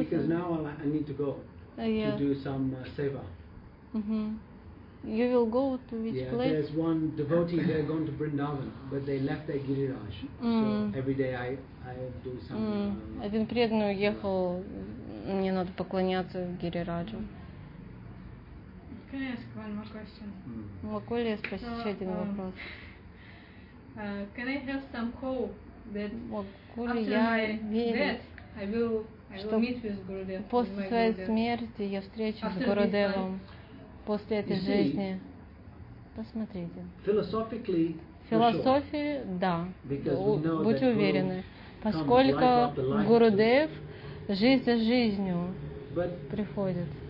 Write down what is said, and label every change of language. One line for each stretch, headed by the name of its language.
English: Because now I need to go to do some seva. Mm-hmm. You will go to which place? Yeah, there's one devotee, they're going to Vrindavan, but they left their Giriraj. Mm. So every day I do some... Mm.
Russian: Один преданный уехал, мне надо поклоняться Гирираджу.
English: Can I ask one more question? Mm.
Russian: Могу ли я спросить один вопрос?
English: Can I have some hope that after my death I will meet with Gurudev?
Russian: После своей смерти я встречу с Гурудевом после этой жизни. Посмотрите.
English: Philosophically,
Russian: философии,
English: sure.
Russian: Да. Будьте уверены, поскольку Гурудев жизнь за жизнью приходит.